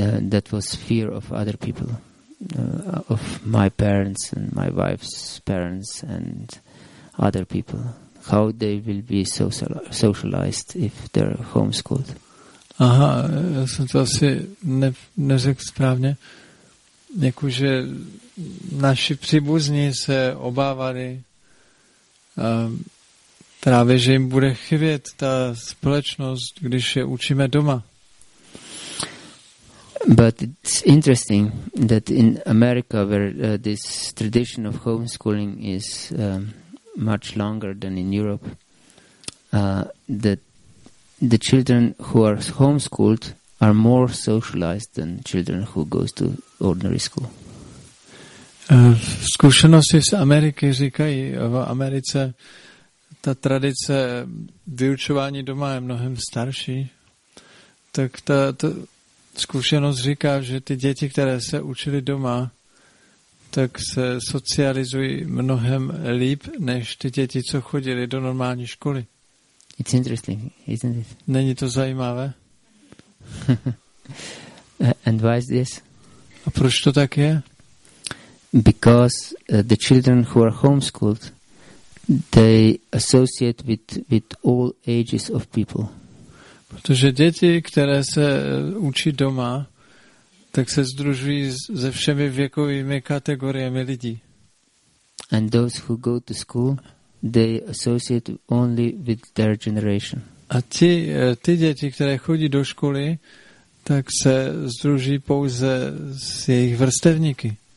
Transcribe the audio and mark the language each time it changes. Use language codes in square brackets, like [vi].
[en] That was fear of other people, of my parents and my wife's parents and other people. How they will be socialized if they're homeschooled. [cs] Aha, já jsem to asi neřekl správně. Jakože naši příbuzní se obávali právě, že jim bude chybět ta společnost, když je učíme doma. [en] But it's interesting that in America, where this tradition of homeschooling is much longer than in Europe, that the children who are homeschooled are more socialized than children who go to ordinary school. [cs] Zkušenosti z Ameriky říkají, v Americe ta tradice vyučování doma je mnohem starší, tak ta zkušenost říká, že ty děti, které se učili doma, tak se socializují mnohem líp než ty děti, co chodili do normální školy. [en] It's interesting, isn't it? [cs] Není to zajímavé? [en] And why is this? [cs] A proč to tak je? [en] Because the children who are homeschooled, they associate with all ages of people. [cs] Protože děti, které se učí doma, tak se združují se všemi věkovými kategoriemi lidí. [en] And those who go to school, they associate only with their generation. [cs] A ty děti, které chodí do školy, tak se združí pouze s jejich vrstevníky.